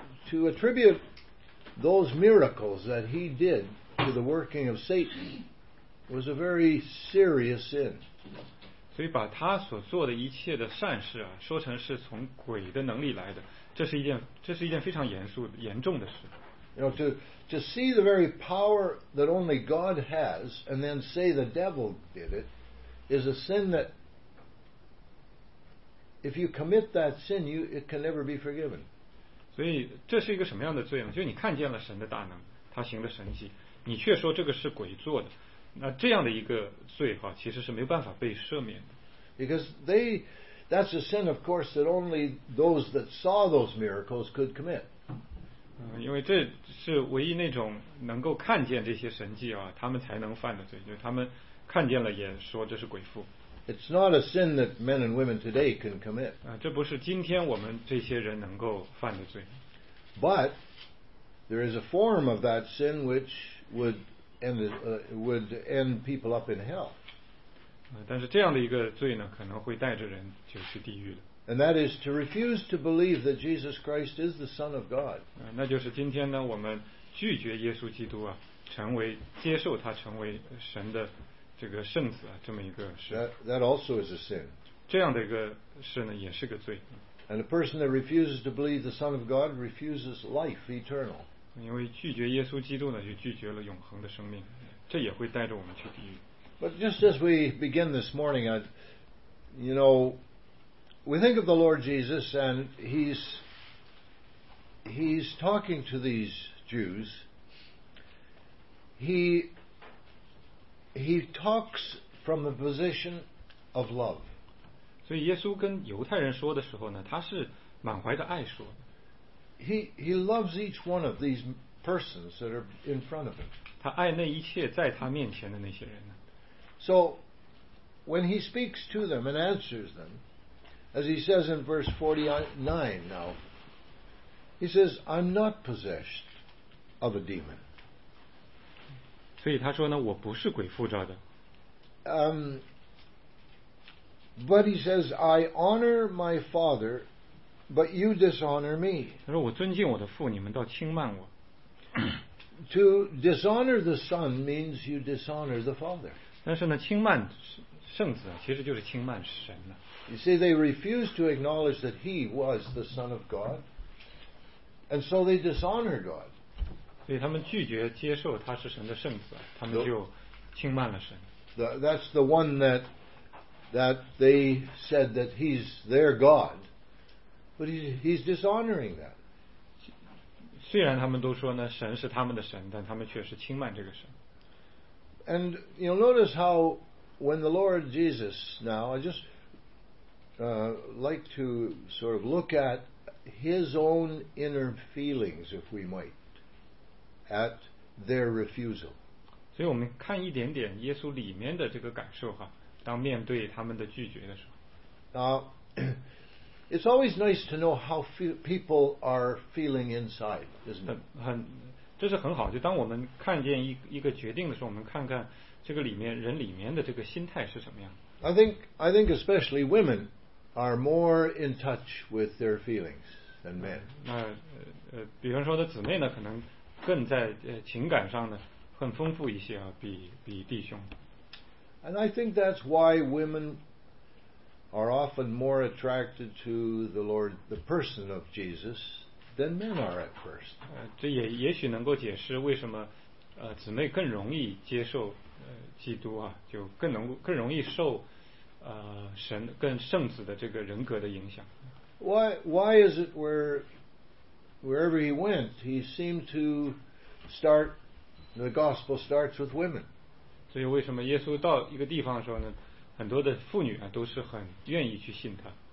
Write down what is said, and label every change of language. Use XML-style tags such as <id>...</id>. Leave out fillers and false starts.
<en>To attribute those miracles that he did to the working of Satan. Was a very serious sin.</en> <zh>所以把他所做的一切的善事啊，说成是从鬼的能力来的，这是一件非常严肃严重的事。</zh> <en>You know, to see the very power that only God has, and then say the devil did it, is a sin that if you commit that sin, it can never be forgiven.</en> <zh>所以这是一个什么样的罪呢？就是你看见了神的大能，他行了神迹，你却说这个是鬼做的。那这样的一个罪哈，其实是没有办法被赦免的。</zh> <en>Because that's a sin, of course, that only those that saw those miracles could commit.</en> <zh>因为这是唯一那种能够看见这些神迹啊，他们才能犯的罪，就是他们看见了也说这是鬼附。</zh> <en>It's not a sin that men and women today can commit.</en> <zh>这不是今天我们这些人能够犯的罪。</zh> <en>But there is a form of that sin which would end people up in hell.</en> <zh>但是这样的一个罪呢，可能会带着人就去地狱的。</zh> <en>And that is to refuse to believe that Jesus Christ is the Son of God.</en> <zh>那就是今天呢，我们拒绝耶稣基督啊，成为接受他成为神的这个圣子啊，这么一个事。</zh> <en>That also is a sin.</en> <zh>这样的一个事呢，也是个罪。</zh> <en>And a person that refuses to believe the Son of God refuses life eternal.</en> <zh>因为拒绝耶稣基督呢，就拒绝了永恒的生命，这也会带着我们去地狱。</zh> <en>But just as we begin this morning, we think of the Lord Jesus and he's talking to these Jews. He talks from the position of love.</en> <zh>所以耶稣跟犹太人说的时候呢，他是满怀的爱说。</zh> <en>He loves each one of these persons that are in front of him.</en> <zh>他爱那一切在他面前的那些人呢。</zh> <en>So when he speaks to them and answers them, as he says in verse 49 now, he says, I'm not possessed of a demon.</en> <zh>所以他说呢，我不是鬼附着的。</zh> <en>But he says, I honor my father. But you dishonor me.</en> <zh>他说我尊敬我的父，你们倒轻慢我。</zh> <en>To dishonor the son means you dishonor the father.</en> <zh>但是呢，轻慢圣子其实就是轻慢神呢。</zh> <en>You see, they refused to acknowledge that he was the son of God, And so they dishonor God.</en> <zh>所以他们拒绝接受他是神的圣子，他们就轻慢了神。</zh> <en>That's the one that they said that he's their God, but he's dishonoring that.</en> <zh>虽然他们都说呢神是他们的神，但他们却是轻慢这个神。</zh> <en>And you'll notice how when the Lord Jesus, now I just like to sort of look at his own inner feelings, if we might, at their refusal.</en> <zh>所以我们看一点点耶稣里面的这个感受哈，当面对他们的拒绝的时候。</zh> <en>Now, it's always nice to know how people are feeling inside, isn't it?</en> <zh>这是很好，就当我们看见一个决定的时候，我们看看这个里面人里面的这个心态是什么样。</zh> <en>I think especially women are more in touch with their feelings than men.</en> <zh>那比方说的姊妹呢，可能更在情感上呢更丰富一些啊，比弟兄。</zh> <en>And I think that's why women are often more attracted to the Lord, the person of Jesus. Than men are at first.</en> <zh>这也许能够解释为什么姊妹更容易接受基督啊，就更容易受神跟圣子的这个人格的影响。</zh> <en>Why is it wherever he went, he seemed to start the gospel starts with women?</en> <zh>所以为什么耶稣到一个地方的时候呢，很多的妇女啊都是很愿意去信他。</zh>